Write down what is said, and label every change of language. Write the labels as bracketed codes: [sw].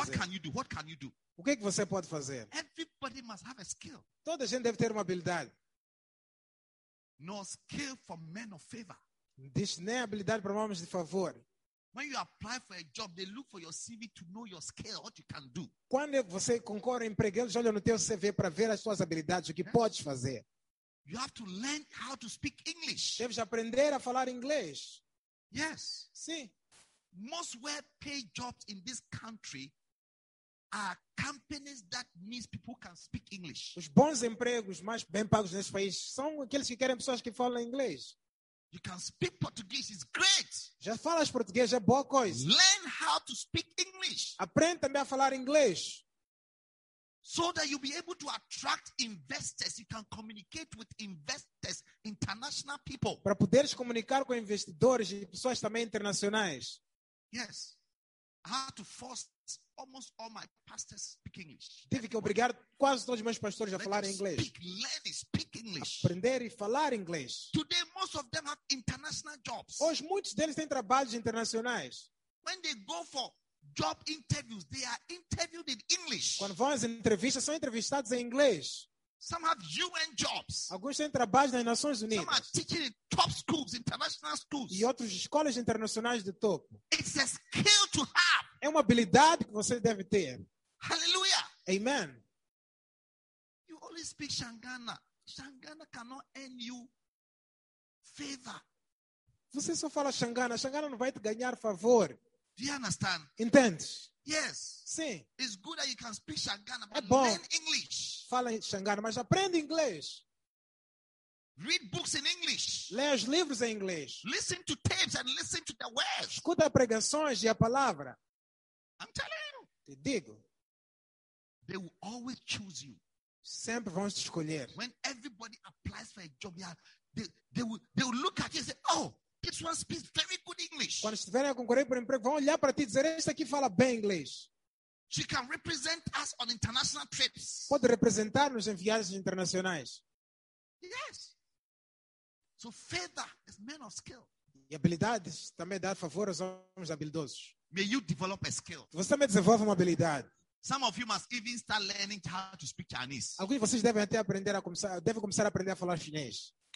[en] What can you do? What can you do? [pt] O que é que você pode fazer? [en] Everybody must have a skill. [pt] Toda gente deve ter uma habilidade. [en] No skill for men of favor. [pt] Diz, nem habilidade para homens de favor. [en] When you apply for a job, they look for your CV to know your skill, what you can do. [pt] Quando você concorre em emprego, eles olham no teu CV para ver as suas habilidades, o que podes fazer. [en] You have to learn how to speak English. [pt] Deves aprender a falar inglês. [en] Yes. [pt] Sim. [en] Most well-paid jobs in this country are companies that means people can speak English. [pt] Os bons empregos mais bem pagos nesse país são aqueles que querem pessoas que falam inglês. [en] You can speak Portuguese, it's great. [pt] Já falas português, é boa coisa. [en] Learn how to speak English. [pt] Aprenda também a falar inglês. [en] So that you'll be able to attract investors, you can communicate with investors, international people. [pt] Para poderes comunicar com investidores e pessoas também internacionais. [en] Yes. I have to force almost all my pastors speak English. [pt] Tive que obrigar quase todos os meus pastores a falar inglês. [en] Learn to speak English. [pt] Aprender e falar inglês. [en] Today, most of them have international jobs. [pt] Hoje, muitos deles têm trabalhos internacionais. [en] When they go for job interviews, they are interviewed in English. [pt] Quando vão às entrevistas, são entrevistados em inglês. [en] Some have UN jobs. [pt] Alguns têm trabalhos nas Nações Unidas. [en] Some are teaching in top schools, international schools. [pt] E outros escolas internacionais de topo. [en] It's a skill to have. [pt] É uma habilidade que você deve ter. [en] Hallelujah. [pt] Amen. [en] You only speak Shangana. Shangana cannot earn you favor. [pt] Você só fala Shangana. Shangana não vai te ganhar favor. [en] Do you understand? [pt] Entende? [en] Yes. [pt] Sim. [en] It's good that you can speak Shangana, but [pt] é bom. [en] Learn English. [pt] Fala Shangana, mas aprende inglês. [en] Read books in English. [pt] Leia os livros em inglês. [en] Listen to tapes and listen to the words. [pt] Escuta pregações e a palavra. [en] I'm telling you. [pt] Te digo. [en] They will always choose you. [pt] Sempre vão te escolher. [en] When everybody applies for a job, they will look at you and say, oh, this one speaks very good English. [pt] Quando estiverem a concorrer por emprego, vão olhar para ti e dizer, este aqui fala bem inglês. [en] She can represent us on international trips. [pt] Pode representar-nos em viagens internacionais. [en] Yes. So favor is men of skill. [pt] E habilidades também dá favor aos homens habilidosos. [en] May you develop a skill. [pt] Você também desenvolve uma habilidade. [en] Some of you must even start learning how to speak Chinese. [pt] Alguns de vocês devem até aprender a começar, devem começar a aprender a falar chinês.